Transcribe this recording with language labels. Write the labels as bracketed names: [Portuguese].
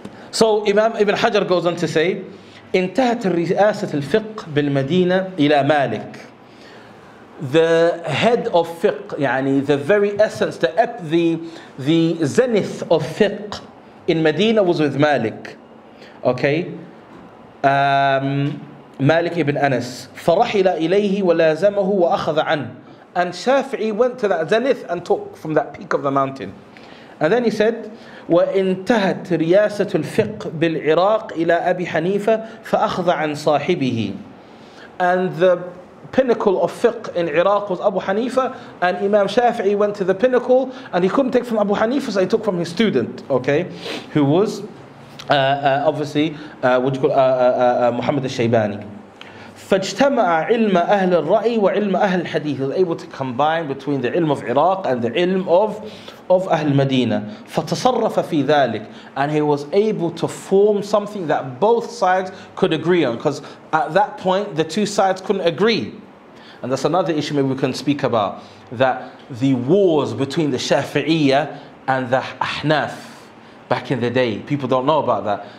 [English] So Imam Ibn Hajar goes on to say, [Arabic] انتهت الرئاسة الفقه بالمدينة إلى مالك. [English] The head of fiqh, يعني the very essence, the zenith of fiqh in Medina was with Malik. Okay. Malik ibn Anas. [Arabic] فرحل إليه ولازمه وأخذ عنه. [English] And Shafi'i went to that zenith and took from that peak of the mountain. And then he said, [Arabic] وانتهت رياسة الفقه بالعراق إلى أبي حنيفة فأخذ عن صاحبه. [English] And the pinnacle of fiqh in Iraq was Abu Hanifa, and Imam Shafi'i went to the pinnacle and he couldn't take from Abu Hanifa, so he took from his student, okay, who was Muhammad al-Shaybani. [Arabic] فاجتمع علم أهل الرأي وعلم أهل الحديث. [English] He was able to combine between the ilm of Iraq and the ilm of Ahl Medina. [Arabic] فتصرف في ذلك. [English] And he was able to form something that both sides could agree on, because at that point the two sides couldn't agree. And that's another issue maybe we can speak about, that the wars between the Shafi'iyya and the Ahnaf back in the day, people don't know about that.